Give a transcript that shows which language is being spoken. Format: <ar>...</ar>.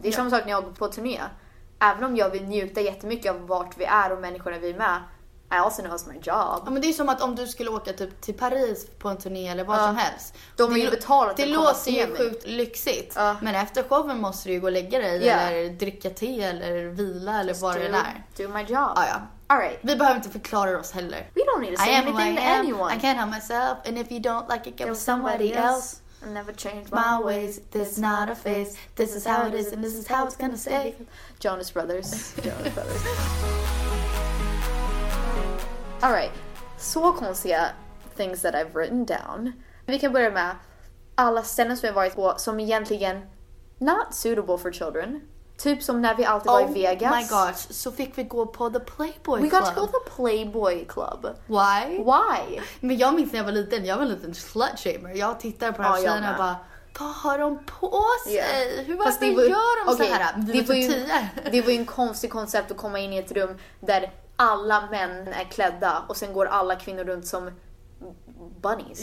<sv>Det är samma sak när jag går på turné. Även om jag vill njuta jättemycket av vart vi är och människorna vi är med,</sv> <en>I also know it's my job.</en> <sv>Ja, men det är som att om du skulle åka typ till Paris på en turné eller vad som helst. De vill betala att det låter ju sjukt lyxigt. Men efter showen måste du ju gå och lägga dig eller dricka te eller vila eller vad det är.</sv> <en>Do my job.</en> <sv>Ja.</sv> <en>All right.</en> <sv>Vi behöver inte förklara oss heller.</sv> <en>We don't need to say anything to anyone. I can't help myself. And if you don't like it, go with somebody else. I never changed my ways. This is not a phase. This is how it is and this is how it's gonna stay. Jonas Brothers. All right,</en> <sv>så konstiga</sv> <en>things that I've written down.</en> <sv>Vi kan börja med alla ställen som vi har varit på som egentligen</sv> <en>not suitable for children.</en> <sv>Typ som när vi alltid var i Vegas.</sv> <en>Oh my gosh,</en> <sv>så fick vi gå på the Playboy</sv> <en>Club. We got to go to the Playboy Club. Why? Why?</en> <sv>Men jag minns när jag var liten, jag var en liten slut-shamer. Jag tittar på den här tjejerna och bara, vad har de på sig? Yeah. Hur fast var det gör de okay, så här? Det var ju en konstig koncept att komma in i ett rum där alla män är klädda och sen går alla kvinnor runt som bunnies.</sv>